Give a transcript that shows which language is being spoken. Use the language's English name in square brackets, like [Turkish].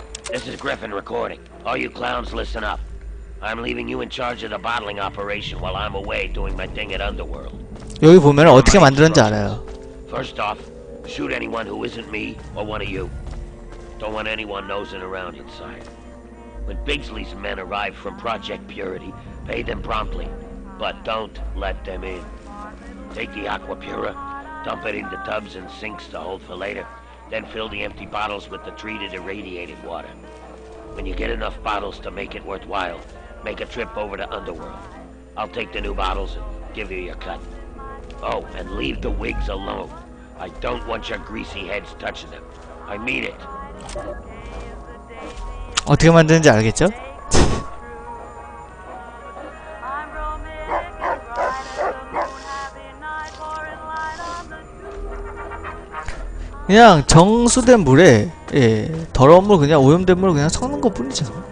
[English] This is Griffin recording. All you clowns listen up. I'm leaving you in charge of the bottling operation while I'm away doing my thing at Underworld. [Korean] 여기 보면 어떻게 만드는지 알아요. [English] First off, shoot anyone who isn't me or one of you. Don't want anyone nosing around inside. When Bigsley's men arrive from Project Purity, pay them promptly, but don't let them in. Take the aqua pura. Dump it into tubs and sinks to hold for later. Then fill the empty bottles with the treated irradiated water. When you get enough bottles to make it worthwhile, make a trip over to Underworld. I'll take the new bottles and give you your cut. Oh, and leave the wigs alone. I don't want your greasy heads touching them. I mean it. [Korean] 어떻게 만드는지 알겠죠? 그냥 정수된 물에, 예, 더러운 물, 그냥 오염된 물 그냥 섞는 것 뿐이죠.